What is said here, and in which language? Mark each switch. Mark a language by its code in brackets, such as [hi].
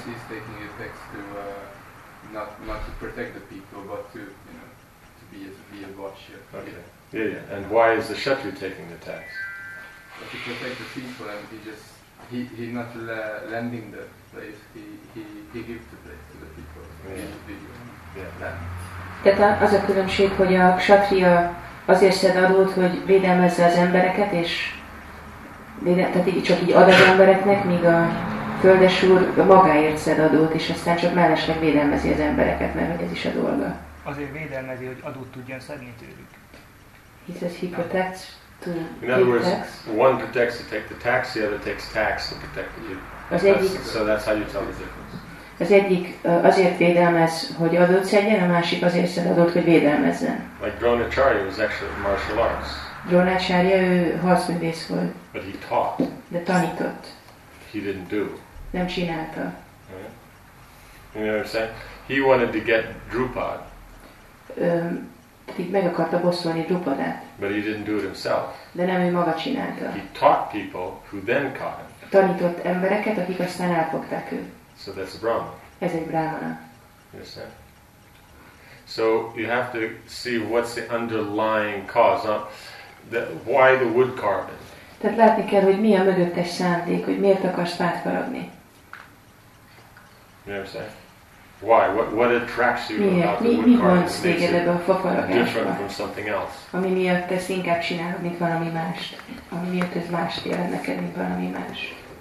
[en] He's taking a tax to not to protect the people, but to, you know, to be a vatsya. Okay. Yeah. And why is the kshatriya taking the tax? To protect the people, and he's not lending the place. He gives the place to the people. Yeah. [hu] Tehát az a különbség, hogy a kshatriya azért szed adót, hogy védelmezze az embereket, és tehát így csak így ad az embereknek, míg a földes úr magáért szed adót, és aztán csak mellesleg védelmezi az embereket, mert hogy ez is a dolga. Azért védelmezi, hogy adót tudjon szedni tőlük. [en] He says he protects to in other words, tax. One protects to take the tax, the other takes tax to protect you. So that's how you tell the difference. [hu] Az egyik azért védelmez, hogy adót szedjen, a másik azért szed adót, hogy védelmezzen. [en] Like Dronacharya was actually martial arts. [hu] Dronacharya, ő harcművész volt. [en] But he taught. [hu] De tanított. [en] He didn't do. [hu] Nem csinálta. [en] Yeah. You know what I'm saying? He wanted to get Drupad. [hu] Meg akarta bosszolni Drupadát. [en] But he didn't do it himself. [hu] De nem ő maga csinálta. [en] He taught people who then caught him. [hu] Tanított embereket, akik aztán elfogták őt. [en] So that's a Brahmana. [hu] Ez egy Brahmana. [en] Understand? So you have to see what's the underlying cause. Why the wood carving? [hu] Tehát látni kell, hogy mi a mögöttes szándék, hogy miért akarsz fát faragni. [en] You understand? Why? What attracts you about the wood carving? [hu] Mi van téged [en] different from something else? [hu] Ami miatt ezt inkább csinálod, mint valami mást. Ami miatt ez más jelent neked, mint valami más.